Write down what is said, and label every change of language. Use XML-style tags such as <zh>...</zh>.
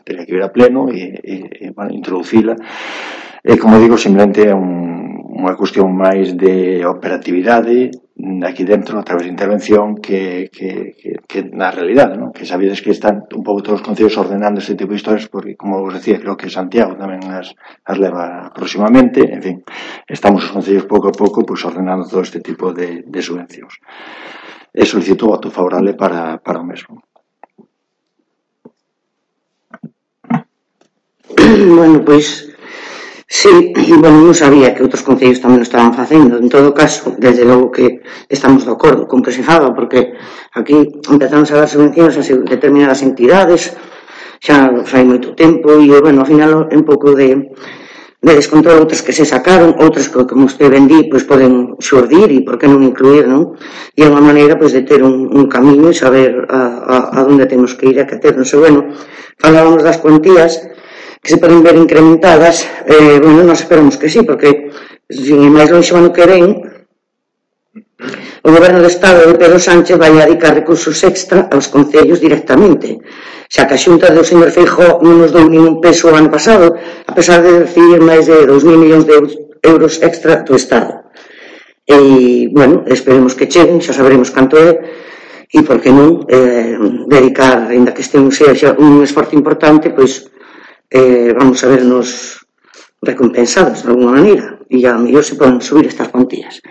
<es>Tenía que ir a pleno e bueno, introducirla.</es> <gl>E, como digo, simplemente é unha cuestión máis de operatividade aquí dentro, a través de intervención, que na realidade, ¿no? Que sabedes que están un pouco todos os concellos ordenando este tipo de historias, porque, como vos decía, creo que Santiago tamén as leva próximamente. En fin, estamos os concellos pouco a pouco pues, ordenando todo este tipo de subvencións. E solicito voto favorable para o mesmo. Bueno, pois... Sí, bueno, non sabía que outros concellos tamén o estaban facendo. En todo caso, desde logo que estamos de acordo con que se faga, porque aquí empezamos a dar subvencións a determinadas entidades, xa fai moito tempo, e, eu, bueno, ao final, un pouco de descontrol, outras que se sacaron, outras que, como usted vendí, pues, poden xurdir, e por que non incluir, non? E é unha maneira, pues, de ter un camiño e saber a onde temos que ir, a que ter. Non sei, bueno, falábamos das cuantías, que se poden ver incrementadas, bueno, nos esperamos que sí, porque, sin máis longe o ano que ven, o Goberno do Estado de Pedro Sánchez vai adicar recursos extra aos concellos directamente. Xa que a Xunta do señor Feijóo non nos dou ningún peso o ano pasado, a pesar de recibir máis de 2.000 millóns de euros extra do Estado. E, bueno, esperemos que cheguen, xa saberemos canto é, e por que non dedicar, ainda que este sea un esforzo importante, pois,</gl> <es>vamos a vernos recompensados de alguna manera y a lo mejor se pueden subir estas cuantías.</es>